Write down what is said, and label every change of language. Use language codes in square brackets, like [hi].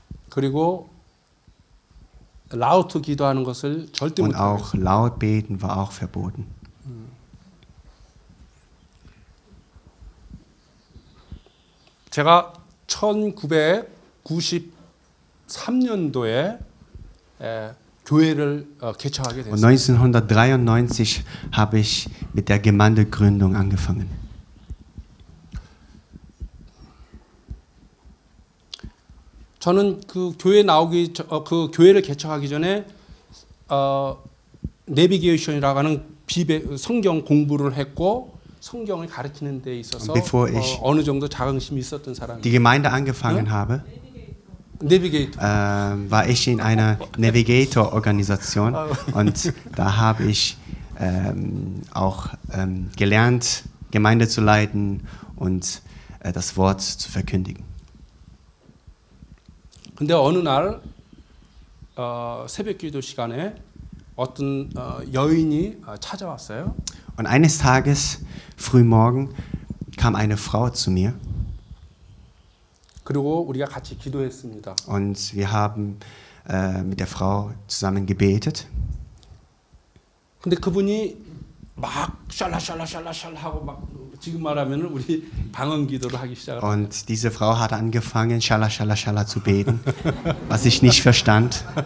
[ko] 그리고 laut 기도하는 것을 절대 못 [de] Und auch laut beten war auch verboten. [ko] 제가 1993년도에 교회를 개척하게 됐습니다. [de] Und 1993 habe ich mit der Gemeindegründung angefangen. [ko] 저는 그 교회 나오기 그 교회를 개척하기 전에 내비게이션이라고 하는 성경 공부를 했고 성경을 가르치는 데 있어서 [en] Before [ko] 어느 정도 자긍심이 있었던 사람. [de] Die Gemeinde angefangen habe. Navigator. War ich in einer Navigator Organisation und da habe ich auch gelernt Gemeinde zu leiten und das Wort zu verkündigen. [ko] 근데 어느 날 새벽 기도 시간에 어떤 여인이 찾아왔어요. [de] Und eines Tages früh morgen kam eine Frau zu mir. [ko] 그리고 우리가 같이 기도했습니다. [de] Und wir haben mit der Frau zusammen gebetet. [ko] 근데 그분이 막 샬라샬라샬라샬라 하고 막 지금 말하면은 우리 방언 기도를 하기 시작합니다. [de] Und diese Frau hat angefangen shalashalashala zu beten, was ich nicht verstand.